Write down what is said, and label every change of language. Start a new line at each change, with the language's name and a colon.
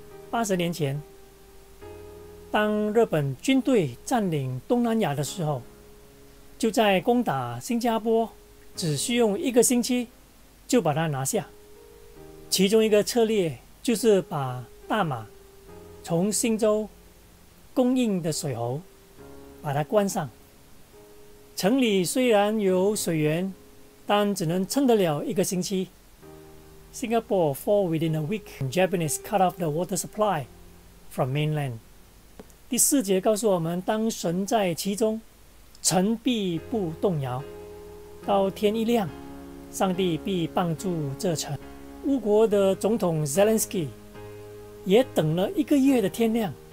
Chinese: 80年前，当日本军队占领东南亚的时候，就在攻打新加坡，只需用1个星期就把它拿下。其中一个策略就是把大马从新州供应的水喉把它关上，城里虽然有水源，但只能撑得了1个星期。
English: Singapore fall within a week and Japanese cut off the water supply from mainland。
Chinese: 4节告诉我们，当神在其中，城必不动摇，到天一亮，上帝必帮助这城。乌国的总统 Zelensky 也等了1个月的天亮，